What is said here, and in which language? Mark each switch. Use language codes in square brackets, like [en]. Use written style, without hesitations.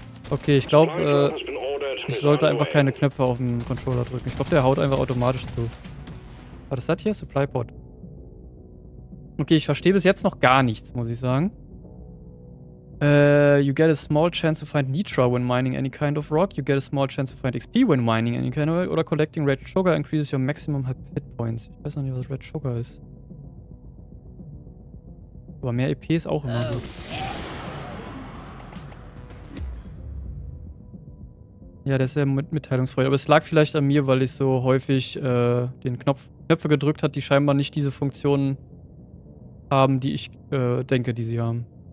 [de] Okay, ich glaube, ich sollte einfach keine Knöpfe auf dem Controller drücken. Ich glaube, der haut einfach automatisch zu. Was ist das hier? Supply Pod. Okay, ich verstehe bis jetzt noch gar nichts, muss ich sagen. [en] You get a small chance to find Nitra when mining any kind of rock. You get a small chance to find XP when mining any kind of rock. Oder collecting red sugar increases your maximum hit points. [de] Ich weiß noch nicht, was red sugar ist. Aber mehr EP ist auch immer gut. Ja, der ist sehr mitteilungsfreudig. Aber es lag vielleicht an mir, weil ich so häufig den Knöpfe gedrückt habe, die scheinbar nicht diese Funktionen haben, die ich denke, die sie haben.